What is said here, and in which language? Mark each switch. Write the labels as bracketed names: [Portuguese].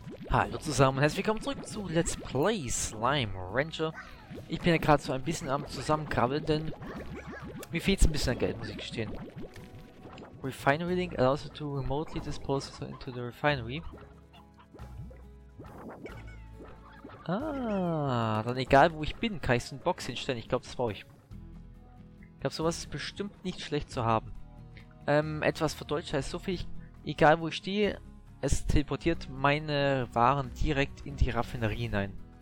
[German] Hallo zusammen, herzlich willkommen zurück zu Let's Play Slime Rancher. Ich bin ja gerade so ein bisschen am Zusammenkrabbeln, denn mir fehlt es ein bisschen an Geld, muss ich gestehen. [English] Refinery Link allows you to remotely dispose into the refinery. [German] Ah, dann egal wo ich bin, kann ich so eine Box hinstellen. Ich glaube, das brauche ich. Ich glaube, sowas ist bestimmt nicht schlecht zu haben. Etwas verdeutscht heißt so viel, egal wo ich stehe, es teleportiert meine Waren direkt in die Raffinerie hinein.